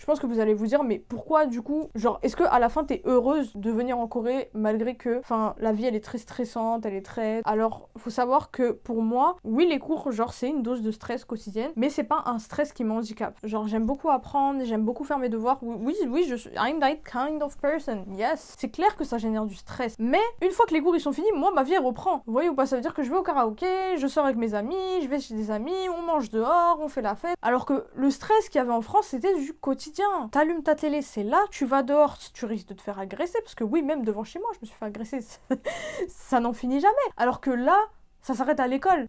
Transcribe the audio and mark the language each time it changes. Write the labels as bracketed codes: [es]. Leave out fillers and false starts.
[fr] Je pense que vous allez vous dire, mais pourquoi du coup, genre, est-ce qu'à la fin, t'es heureuse de venir en Corée, malgré que, enfin, la vie, elle est très stressante, elle est très... Alors, faut savoir que pour moi, oui, les cours, genre, c'est une dose de stress quotidienne, mais c'est pas un stress qui m'handicape. Genre, j'aime beaucoup apprendre, j'aime beaucoup faire mes devoirs. Oui, je suis... [en] I'm that kind of person, yes. [fr] C'est clair que ça génère du stress, mais une fois que les cours ils sont finis, moi ma vie elle reprend, vous voyez ou pas? Ça veut dire que je vais au karaoké, je sors avec mes amis, je vais chez des amis, on mange dehors, on fait la fête, alors que le stress qu'il y avait en France c'était du quotidien. T'allumes ta télé, c'est là, tu vas dehors, tu risques de te faire agresser, parce que oui, même devant chez moi je me suis fait agresser, ça n'en finit jamais, alors que là ça s'arrête à l'école.